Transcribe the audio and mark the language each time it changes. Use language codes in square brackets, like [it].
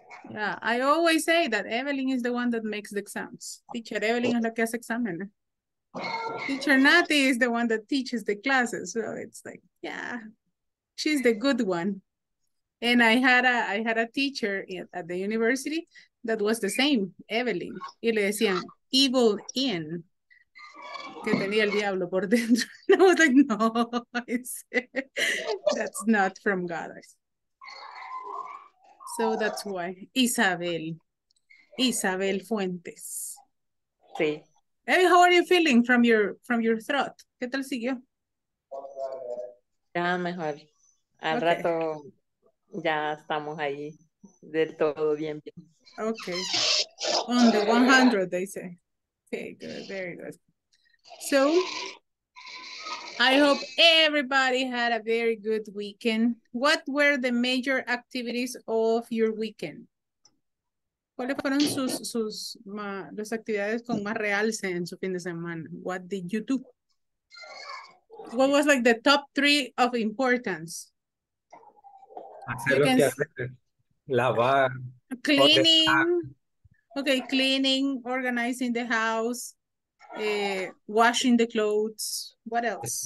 [en] Yeah, I always say that Evelyn is the one that makes the exams. Teacher Evelyn [es] es la que hace examen. [en] Teacher Nati is the one that teaches the classes. So it's like, yeah, she's the good one. And I had a teacher at the university that was the same, Evelyn. [es] Y le decían, Evil Inn, que tenía el diablo por dentro. [en] And I was like, no, that's not from God. So that's why. Isabel. Isabel Fuentes. [es] Sí. [en] Hey, how are you feeling from your throat? [es] ¿Qué tal siguió? Ya mejor. Al [en] Okay. [es] rato ya estamos ahí del todo bien, bien. [en] Okay. On the 100, they say. Okay, good. Very good. So I hope everybody had a very good weekend. What were the major activities of your weekend? [es] ¿Cuáles fueron sus ma, las actividades con más realce en su fin de semana? [en] What did you do? What was like the top three of importance? [es] Hacer lo [en] can [es] que hacer, lavar, ordenar. [en] Cleaning. Okay, cleaning, organizing the house. Washing the clothes. What else?